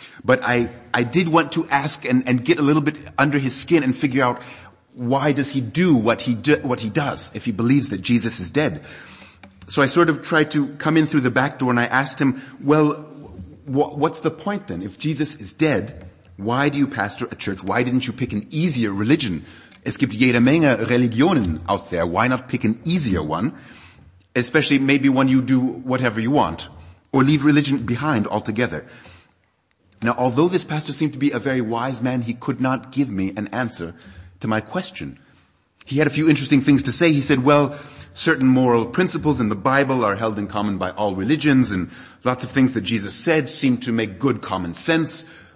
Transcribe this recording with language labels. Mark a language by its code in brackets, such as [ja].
[en] But I did want to ask and get a little bit under his skin and figure out why does he do what he does if he believes that Jesus is dead. So I sort of tried to come in through the back door and I asked him, well, what's the point then? If Jesus is dead, why do you pastor a church? Why didn't you pick an easier religion? [de] Es gibt jede Menge Religionen [en] out there. Why not pick an easier one? Especially maybe one you do whatever you want or leave religion behind altogether. Now, although this pastor seemed to be a very wise man, he could not give me an answer to my question. He had a few interesting things to say. He said, well, certain moral principles in the Bible are held in common by all religions, and lots of things that Jesus said seemed to make good common sense.